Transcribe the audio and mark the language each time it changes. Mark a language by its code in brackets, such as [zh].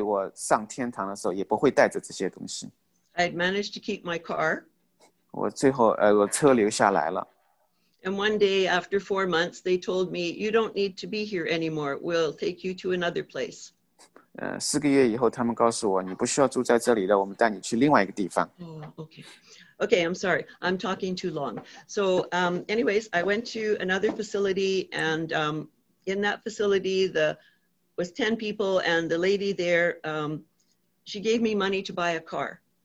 [zh] 所以我说，神啊，反正这也不是我来的时候没有带着，所以我上天堂的时候也不会带着这些东西。 [en] I'd managed to keep my car. [zh] 我最后，我车留下来了。 [en] And one day after 4 months, they told me, you don't need to be here anymore. We'll take you to another place. [zh] 4个月以后，他们告诉我，你不需要住在这里了，我们带你去另外一个地方。 [en] Oh, okay. Okay, I'm sorry. I'm talking too long. So anyways, I went to another facility, and in that facility, was 10 people, and the lady there, she gave me money to buy a car.